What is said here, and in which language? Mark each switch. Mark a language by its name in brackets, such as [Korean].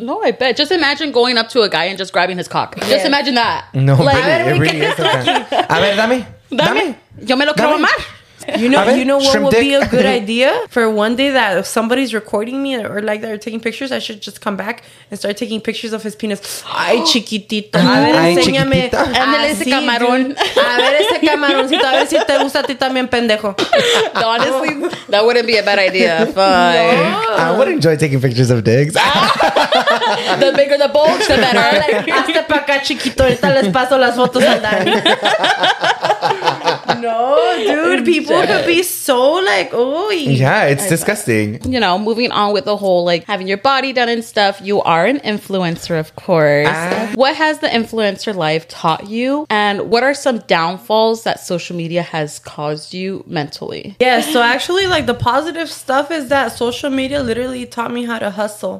[English] No, I bet. Just imagine going up to a guy and just grabbing his cock. Yeah. Just imagine that. No, like, really, it really is. [Spanish] A ver, dame. Yo me lo quiero mamar. [English] You know, what would be a good idea for one day that if somebody's recording me or like they're taking pictures, I should just come back and start taking pictures of his penis. [Spanish] Ay, chiquitito. A ver, enséñame. Ándale ese camarón. A ver ese camaroncito. A ver si te gusta a ti también, pendejo. [English] No, honestly, that wouldn't be a bad idea. I would enjoy taking pictures of dicks. The bigger the bulge, the better. [Spanish] Hazte pa' acá, chiquito. Ahorita les paso las fotos al Dani. [English] know, dude. People could be so like, oy. Yeah, it's disgusting. You know, moving on with the whole like having your body done and stuff. You are an influencer, of course. What has the influencer life taught you? And what are some downfalls that social media has caused you mentally? Yeah, so actually like the positive stuff is that social media literally taught me how to hustle.